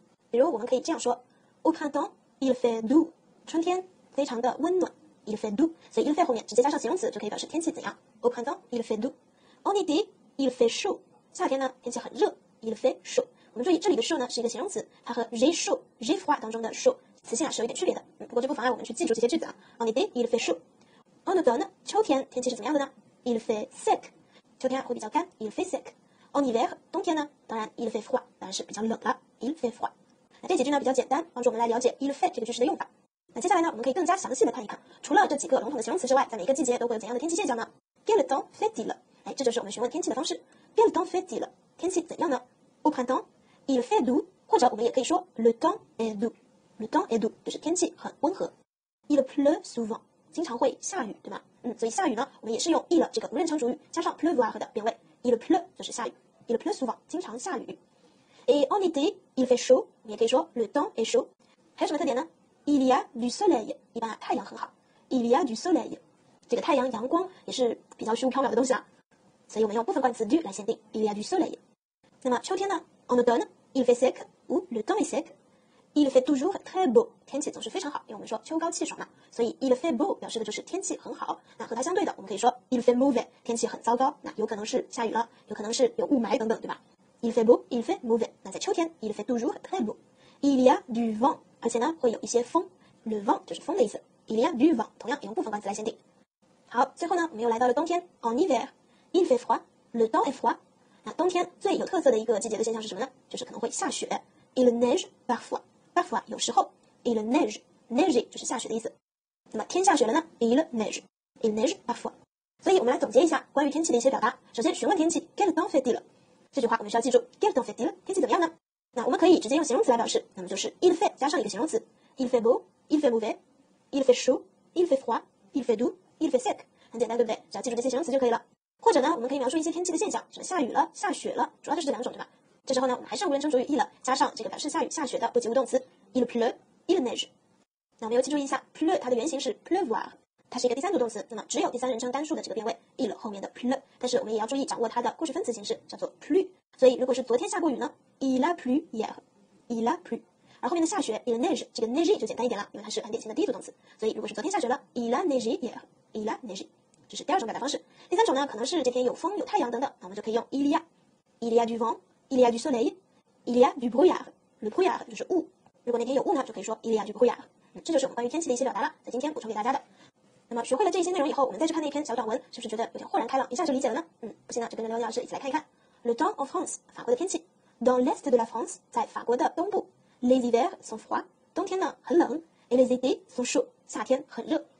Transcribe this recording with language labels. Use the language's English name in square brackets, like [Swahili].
[French] 比如我们可以这样说 au printemps il fait doux， [Chinese] 春天非常的温暖 [French] il fait doux， [Chinese] 所以 il fait 后面直接加上形容词就可以表示天气怎样 [French] au printemps il fait doux。 en été il fait chaud， [Chinese] 夏天呢天气很热 il fait chaud我们注意这里的 chaud 呢是一个形容词，它和 [French] j'ai chaud, j'ai froid [Chinese] 当中的 chaud 词性啊是有一点区别的，不过这不妨碍我们去记住这些句子啊。 [French] En été, il fait chaud. En automne, [Chinese] 秋天天气是怎么样的呢？ [French] Il fait sec, [Chinese] 秋天会比较干， [French] il fait sec. En hiver, [Chinese] 冬天呢，当然 [French] il fait froid, [Chinese] 当然是比较冷了， [French] il fait froid. [Chinese] 那这几句呢比较简单，帮助我们来了解 il fait 这个句式的用法。那接下来呢，我们可以更加详细的看一看，除了这几个笼统的形容词之外，在每个季节都会有怎样的天气现象呢？ [French] Quel temps fait-il? [Chinese] 哎，这就是我们询问天气的方式。 [French] Quel temps fait-il? [Chinese] 天气怎样呢？ [French] Au printemps,Il fait doux， [Chinese] 或者我们也可以说 [French] le temps est doux， le temps est doux [Chinese] 就是天气很温和。 [French] Il pleut souvent， [Chinese] 经常会下雨，对吗？所以下雨呢，我们也是用 il 这个无人称主语加上 pleuvoir 的变位。 [French] Il pleut [Chinese] 就是下雨 [French] ，il pleut souvent [Chinese] 经常下雨。 [French] Et en été il fait chaud， [Chinese] 我们也可以说 [French] le temps est chaud。 [Chinese] 还有什么特点呢？ [French] Il y a du soleil， [Chinese] 一般啊太阳很好。Il y a du soleil， 这个太阳阳光也是比较虚无缥缈的东西啊，所以我们用部分冠词 du 来限定 [French] il y a du soleil。 [Chinese] 那么秋天呢？ [French] En automne, il fait sec, ou le temps est sec. Il fait toujours très beau. [Chinese] 天气总是非常好，因为我们说秋高气爽嘛，所以 [French] il fait beau [Chinese] 表示的就是天气很好。那和它相对的，我们可以说 [French] il fait mauvais， [Chinese] 天气很糟糕，那有可能是下雨了，有可能是有雾霾等等，对吧？ [French] Il fait beau, il fait mauvais. [Chinese] 那在秋天 [French] ，il fait toujours très beau. Il y a du vent， [Chinese] 而且呢会有一些风。 Le vent 就是风的意思。 [French] Il y a du vent， [Chinese] 同样用部分冠词来限定。好，最后呢，我们又来到了冬天。 [French] En hiver, il fait froid, le temps est froid. [Chinese] 那冬天最有特色的一个季节的现象是什么呢？就是可能会下雪。 [French] Il neige parfois, parfois 有时候。 [Chinese] Il neige, neige 就是下雪的意思。那么天下雪了呢 [French] ？Il neige, il neige parfois。 [Chinese] 所以我们来总结一下关于天气的一些表达。首先询问天气 ， [French] Quel temps fait-il？ [Chinese] 这句话我们需要记住 ， [French] Quel temps fait-il？ [Chinese] 天气怎么样呢？那我们可以直接用形容词来表示， [French] 那么就是 il fait 加上一个形容词 ，il fait beau, il fait mauvais, il fait chaud, il fait froid, il fait doux, il fait sec. [Chinese] 很简单，对不对？只要记住这些形容词就可以了。或者呢，我们可以描述一些天气的现象，什么下雨了、下雪了，主要就是这两种，对吧？这时候呢，我们还是用无人称主语 il 了，加上这个表示下雨、下雪的不及物动词 [French] il pleut, il neige。 [Chinese] 那我们又记住一下 pleut 它的原型是 pleuvoir。它是一个第三组动词，那么只有第三人称单数的这个变位 il 后面的 pleut， 但是我们也要注意掌握它的过去分词形式，叫做 plu。所以如果是昨天下过雨呢 [French] ，il a plu hier， il a plu。 [Chinese] 而后面的下雪 [French] il neige， [Chinese] 这个 neige 就简单一点了，因为它是很典型的第一组动词。所以如果是昨天下雪了 [French] ，il a neige hier， il a neige。 [Chinese] 这是第二种表达方式。第三种呢，可能是这天有风、有太阳等等，那我们就可以用 il y a， il y a du vent， il y a du soleil， il y a du brouillard， le brouillard 就是雾。如果那天有雾呢，就可以说 [French] il y a du brouillard。 [Chinese] 这就是我们关于天气的一些表达了，在今天补充给大家的。那么学会了这些内容以后，我们再去看那篇小短文，是不是觉得有点豁然开朗，一下就理解了呢？不行呢，就跟着刘老师一起来看一看。 [French] Le temps en France， [Chinese] 法国的天气。 [French] Dans l'est de la France， [Chinese] 在法国的东部。 [French] Les hivers sont froids， [Chinese] 冬天呢很冷。 [French] Et les étés sont chauds， [Chinese] 夏天很热。